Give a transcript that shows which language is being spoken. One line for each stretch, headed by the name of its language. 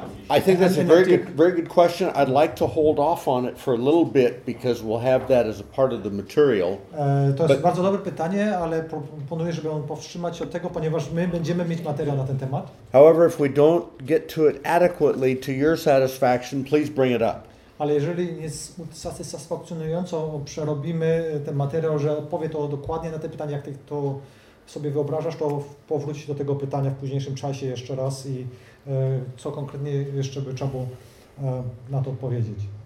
English: I think that's a very good question. I'd like to hold off on it for a little bit because we'll have that as a part of the material.
Polish: To jest bardzo dobre pytanie, ale proponuję, żeby on powstrzymać się od tego, ponieważ my będziemy mieć materiał na ten temat.
English: However, if we don't get to it adequately to your satisfaction, please bring it up.
Polish: Ale jeżeli nie satysfakcjonująco przerobimy ten materiał, że odpowie to dokładnie na te pytania, jak ty to sobie wyobrażasz, to powróć do tego pytania w późniejszym czasie jeszcze raz i co konkretnie jeszcze by trzeba było na to odpowiedzieć.